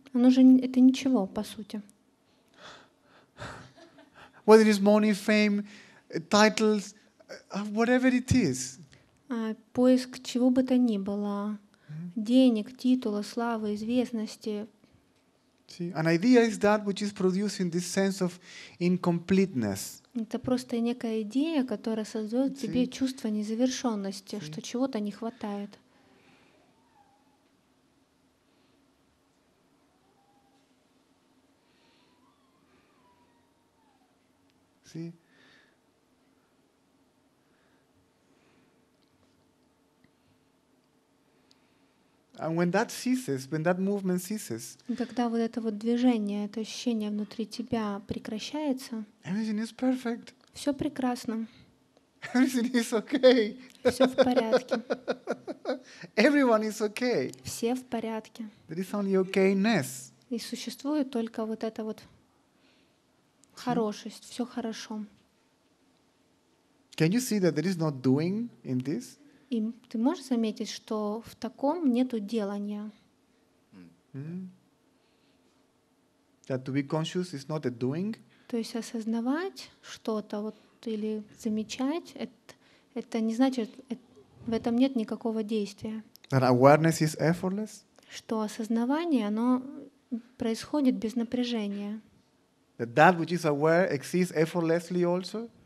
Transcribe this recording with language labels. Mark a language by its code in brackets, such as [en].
[ru] Оно же это ничего, по сути. [en] Whether it is money, fame, titles, whatever it is. [ru] Поиск чего бы то ни было. Денег, титула, славы, известности. [en] See, an idea is that which is producing this sense of incompleteness. [ru] Это просто некая идея, которая создает тебе чувство незавершенности, [en] See? [ru] Что чего-то не хватает. [en] See? And when that ceases, when that movement ceases, [ru] когда вот это вот движение, это ощущение внутри тебя прекращается, [en] everything is perfect. [ru] Все прекрасно. [en] Everything is okay. [ru] Все в порядке. [en] Everyone is okay. [ru] Все в порядке. [en] There is only okayness. [ru] И существует только вот эта вот хорошесть, все хорошо. [en] Can you see that there is no doing in this? [ru] И ты можешь заметить, что в таком нету делания. [en] That to be conscious is not a doing. [ru] То есть осознавать что-то вот или замечать, это не значит, в этом нет никакого действия. [en] That awareness is effortless. [ru] Что осознавание, оно происходит без напряжения. [en] That which is aware exists effortlessly also.